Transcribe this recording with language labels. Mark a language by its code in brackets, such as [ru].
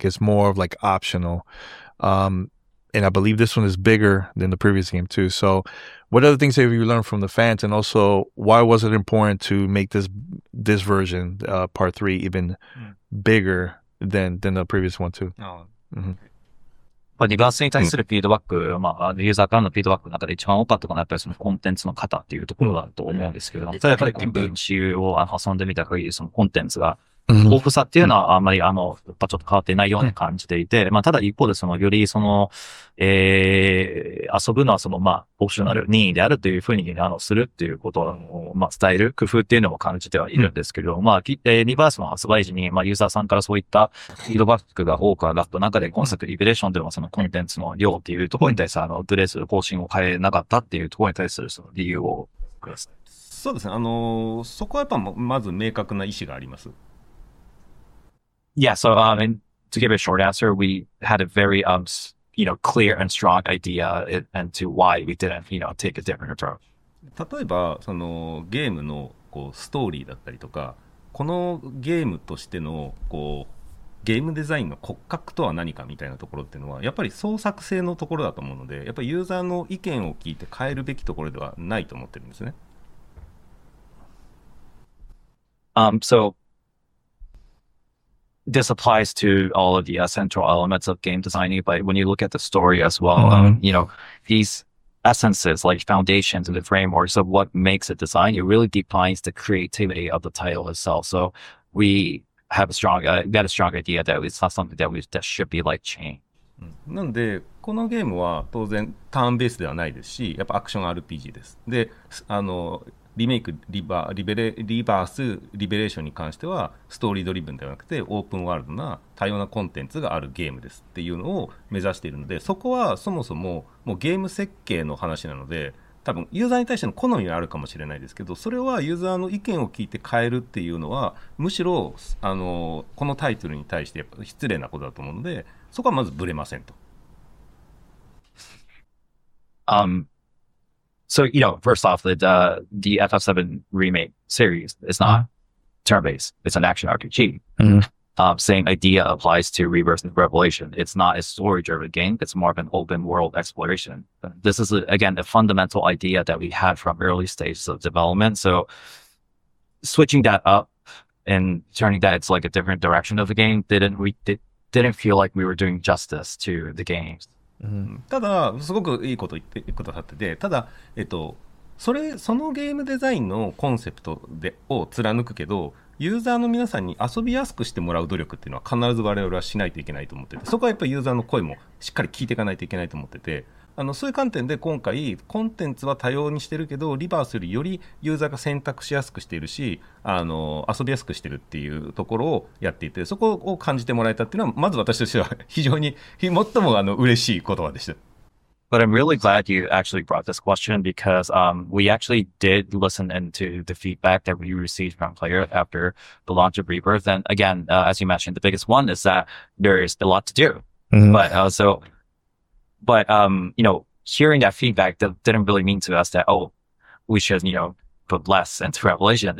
[en] Like it's more of like optional. And I believe this one is bigger than the previous game too. So what other things have you learned from the fans? And also, why was it important to make this version, part three, even bigger than the previous one too? [ja] まあ、リバースに対するフィードバック、まあ、ユーザーからのフィードバックの中で一番多かったのは、やっぱりそのコンテンツの型っていうところだと思うんですけれども、ただやっぱり今回の CU を遊んでみた限り、そのコンテンツが、豊富さっていうのはあんまりやっぱちょっと変わってないように感じていて、まあただ一方でそのよりその、遊ぶのはそのまあオプショナル任意であるというふうにするっていうことを、まあ伝える工夫っていうのも感じてはいるんですけど、まあ、リバースの発売時にまあユーザーさんからそういったフィードバックが多く上がった中で、今作リベレーションではそのコンテンツの量っていうところに対するとりあえず方針を変えなかったっていうところに対するその理由をください。そうですね。そこはやっぱまず明確な意思があります。 [en] Yeah, so, and to give a short answer, we had a very, clear and strong idea and to why we didn't, take a different approach. [ja] 例えば、その、ゲームの、こう、ストーリーだったりとか、このゲームとしての、こう、ゲームデザインの骨格とは何かみたいなところっていうのは、やっぱり創作性のところだと思うので、やっぱりユーザーの意見を聞いて変えるべきところではないと思ってるんですね。 [en] This applies to all of the central elements of game designing, but when you look at the story as well, these essences, like foundations and the frameworks of what makes a design, it really defines the creativity of the title itself. So we have a strong idea that it's not something that should be like chain. [ja] なんで、このゲームは当然ターンベースではないですし、やっぱアクション RPG です。で、リメイクリバースリベレーションに関してはストーリードリブンではなくてオープンワールドな多様なコンテンツがあるゲームですっていうのを目指しているので、そこはそもそ もうゲーム設計の話なので、多分ユーザーに対しての好みはあるかもしれないですけど、それはユーザーの意見を聞いて変えるっていうのはむしろこのタイトルに対してやっぱ失礼なことだと思うので、そこはまずブレませんと。 [en] So, first off, the FF7 remake series is not turn-based. It's an action RPG. Same idea applies to Rebirth and Revelation. It's not a story-driven game. It's more of an open-world exploration. This is, again, a fundamental idea that we had from early stages of development. So switching that up and turning that into like a different direction of the game didn't feel like we were doing justice to the games. [ja] ただすごくいいこと言ってくださってて、ただ、それそのゲームデザインのコンセプトでを貫くけど、ユーザーの皆さんに遊びやすくしてもらう努力っていうのは必ず我々はしないといけないと思ってて、そこはやっぱりユーザーの声もしっかり聞いていかないといけないと思ってて、そういう観点で今回コンテンツは多様にしてるけど、リバースよりよりユーザーが選択しやすくしているし、遊びやすくしてるっていうところをやっていて、そこを感じてもらえたっていうのはまず私としては非常に最も嬉しい言葉でした。 [en] But I'm really glad you actually brought this question because we actually did listen into the feedback that we received from players after the launch of Rebirth. And again, as you mentioned, the biggest one is that there is a lot to do. Mm-hmm. But hearing that feedback didn't really mean to us that, oh, we should, put less into Revelation.